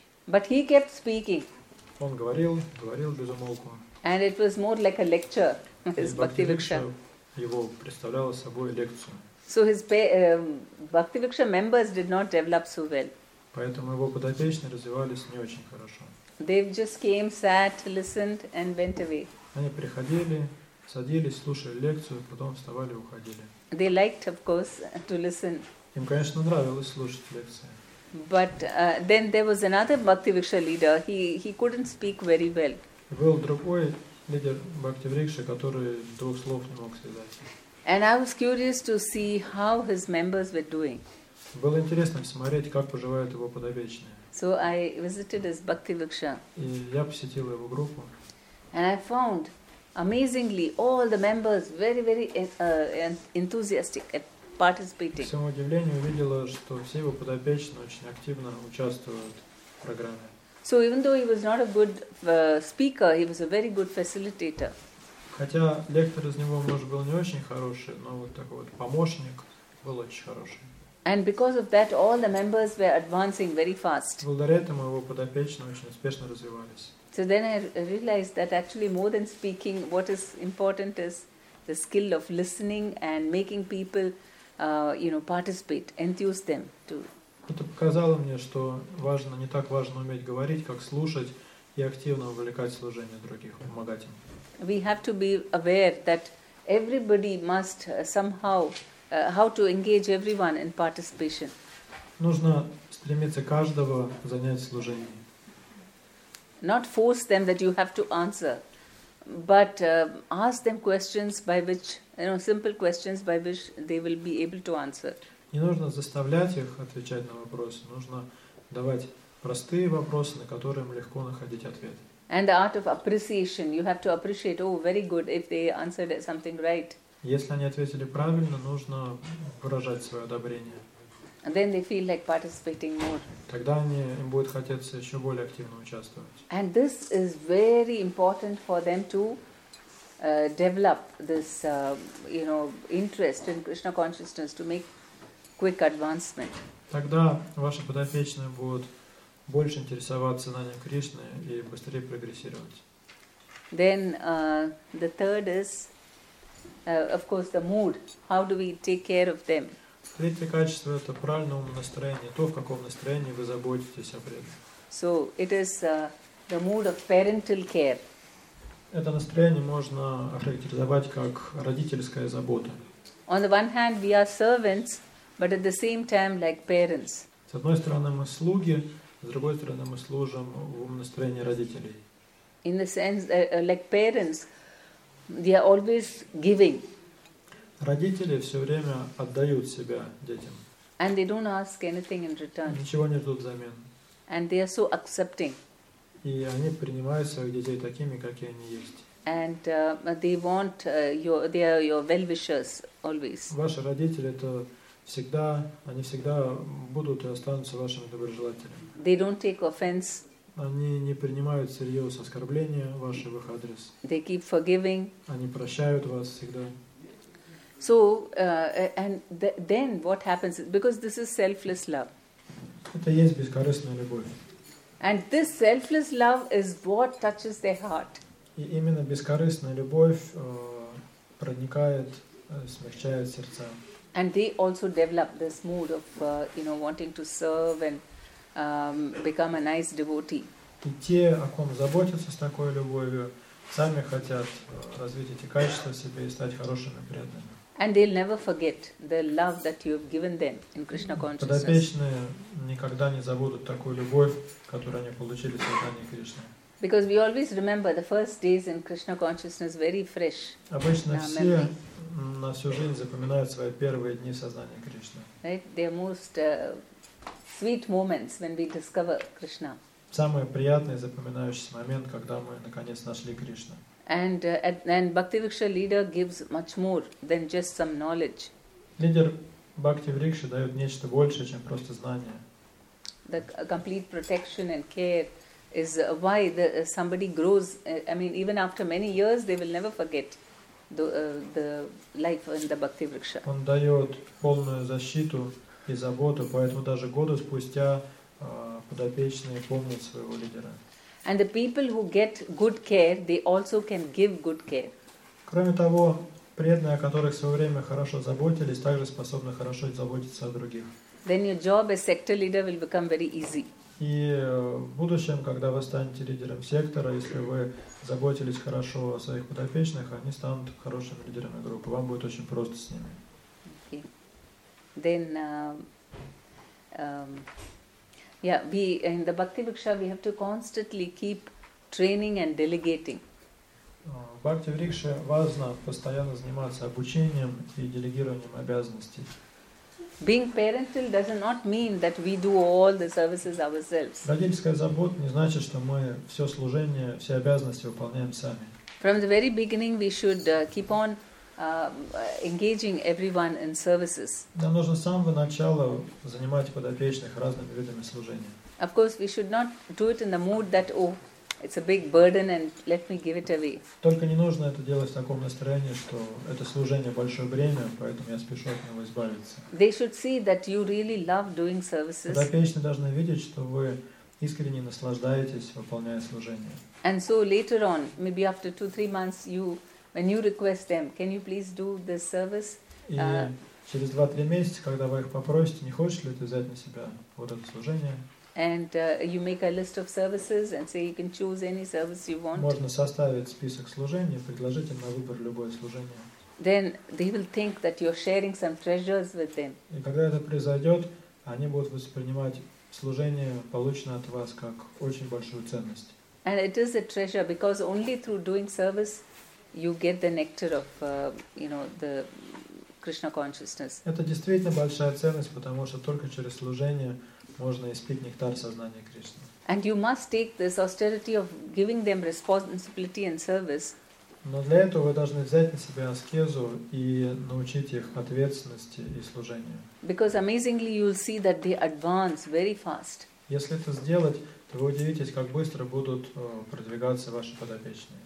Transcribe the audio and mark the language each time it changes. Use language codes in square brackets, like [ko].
[en] But he kept speaking. [ru] Он говорил без умолку. [en] And it was more like a lecture, his Bhakti Viksha. [ru] Его представляло собой лекцию. [en] So his Bhakti Viksha members did not develop so well. [ru] Поэтому его подопечные развивались не очень хорошо. [en] They just came, sat, listened, and went away. [ru] Они приходили, садились, слушали лекцию, потом вставали и уходили. [en] They liked, of course, to listen. [ru] Им, конечно, нравилось слушать лекции. [en] But then there was another Bhakti Viksha leader. He couldn't speak very well. [ru] Был другой лидер Бхакти Викши, который двух слов не мог связать. [en] And I was curious to see how his members were doing. [ru] Было интересно смотреть, как поживают его подопечные. [en] So I visited his Bhakti Viksha. [ru] И я посетил его группу. [en] And I found, amazingly, all the members very, very enthusiastic at participating. [ru] К своему удивлению, увидела, что все его подопечные очень активно участвуют в программе. [en] So even though he was not a good speaker, he was a very good facilitator. [ru] Хотя лектор из него, может, был не очень хороший, но вот такой вот помощник был очень хороший. [en] And because of that, all the members were advancing very fast. [ru] Благодаря этому его подопечные очень успешно развивались. [en] So then I realized that actually more than speaking, what is important is the skill of listening and making people, participate, enthuse them to. [ru] Это показало мне, что важно не так важно уметь говорить, как слушать и активно вовлекать в служение других, помогать им. [en] We have to be aware that everybody must somehow how to engage everyone in participation. [ru] Нужно стремиться каждого занять в служении. [en] Not force them that you have to answer, but ask them questions by which, simple questions by which they will be able to answer. [ru] Не нужно заставлять их отвечать на вопросы, нужно давать простые вопросы, на которые им легко находить ответ. [en] And the art of appreciation, you have to appreciate, oh, very good, if they answered something right. [ru] Если они ответили правильно, нужно выражать свое одобрение. [en] And then they feel like participating more. [ru] Тогда они, им будет хотеться еще более активно участвовать. [en] And this is very important for them to develop this, interest in Krishna consciousness, to make quick advancement. [ru] Тогда ваши подопечные будут больше интересоваться знанием Кришны и быстрее прогрессировать. [en] Then the third is, of course, the mood. How do we take care of them? [ru] Третье качество – это правильное умное настроение, то, в каком настроении вы заботитесь о преданных. [en] So, it is the mood of parental care. [ru] Это настроение можно охарактеризовать как родительская забота. [en] On the one hand, we are servants, but at the same time, like parents. [ru] С одной стороны, мы слуги, с другой стороны, мы служим в умном настроении родителей. [en] In the sense, like parents, they are always giving. [ru] Родители все время отдают себя детям. [en] And they don't ask anything in return. [ru] Ничего не ждут взамен. [en] And they are so accepting. [ru] И они принимают своих детей такими, какие они есть. [en] And they want they are your well-wishers always. [ru] Ваши родители это всегда, они всегда будут и останутся вашими доброжелателями. [en] They don't take offense. [ru] Они не принимают всерьез оскорбления ваши в их адрес. [en] They keep forgiving. [ru] Они прощают вас всегда. [en] So and then what happens is, because this is selfless love. [ru] Это есть бескорыстная любовь. [en] And this selfless love is what touches their heart. [ru] И именно бескорыстная любовь проникает, смягчает сердца. [en] And they also develop this mood of wanting to serve and become a nice devotee. [ru] И те, о ком заботятся с такой любовью, сами хотят развить эти качества в себе и стать хорошими преданными. [en] And they'll never forget the love that you have given them in Krishna consciousness. [ru] Подопечные никогда не забудут такую любовь, которую они получили в сознании Кришны. [en] Because we always remember the first days in Krishna consciousness very fresh. [ru] Обычно все на всю жизнь запоминают свои первые дни в сознании Кришны. [en] Right? They are most sweet moments when we discover Krishna. [ru] Самый приятный запоминающийся момент, когда мы наконец нашли Кришну. [en] And Bhaktivriksha leader gives much more than just some knowledge. [ru] Лидер Бхактивриксы дает нечто большее, чем просто знание. [en] The complete protection and care is why somebody grows. Even after many years, they will never forget the life in the Bhaktivriksha. [ru] Он дает полную защиту и заботу, поэтому даже годы спустя подопечные помнят своего лидера. [en] And the people who get good care, they also can give good care. [ru] Кроме того, преданные, о которых в свое время хорошо заботились, также способны хорошо заботиться о других. [en] Then your job as sector leader will become very easy. [ru] И в будущем, когда вы станете лидером сектора, если вы заботились хорошо о своих подопечных, они станут хорошими лидерами группы. Вам будет очень просто с ними. [en] Okay. Then, yeah, we in the Bhakti Bhiksha we have to constantly keep training and delegating. [ru] Bhakti Bhiksha важно постоянно заниматься обучением и делегированием обязанностей. [en] Being parental does not mean that we do all the services ourselves. [ru] Родительская забота не значит, что мы все служение, все обязанности выполняем сами. [en] From the very beginning, we should keep on engaging everyone in services. [ru] Нам нужно с самого начала занимать подопечных разными видами служения. [en] Of course, we should not do it in the mood that It's a big burden, and let me give it away. [ru] Только не нужно это делать в таком настроении, что это служение большое бремя, поэтому я спешу от него избавиться. [en] They should see that you really love doing services. [ru] Подопечные должны видеть, что вы искренне наслаждаетесь, выполняя служение. [en] And so later on, maybe after 2-3 months, when you request them, can you please do this service? [ru] Через 2-3 месяца, когда вы их попросите, не хочешь ли ты взять на себя вот это служение? [en] And you make a list of services and say you can choose any service you want. [ru] Можно составить список служений, предложить им на выбор любое служение. [en] Then they will think that you're sharing some treasures with them. [ru] И когда это произойдет, они будут воспринимать служение, полученное от вас, как очень большую ценность. [en] And it is a treasure because only through doing service you get the nectar of the Krishna consciousness. [ru] Это действительно большая ценность, потому что только через служение можно испить нектар сознания Кришны. [en] And you must take this austerity of giving them responsibility and service. [ru] Но для этого вы должны взять на себя аскезу и научить их ответственности и служению. [en] Because amazingly you'll see that they advance very fast. [ru] Если это сделать, то вы удивитесь, как быстро будут продвигаться ваши подопечные.